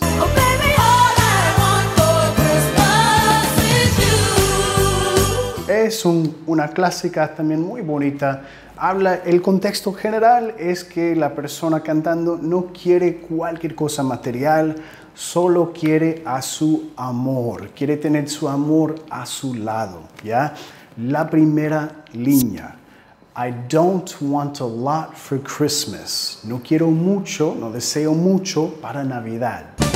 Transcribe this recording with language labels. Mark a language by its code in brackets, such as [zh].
[en] Oh, baby, all I want for Christmas is you. [es] Es una clásica también muy bonita. Habla, el contexto general es que la persona cantando no quiere cualquier cosa material, solo quiere a su amor. Quiere tener su amor a su lado, ¿ya? La primera línea. [en] I don't want a lot for Christmas. [es] No quiero mucho, no deseo mucho para Navidad.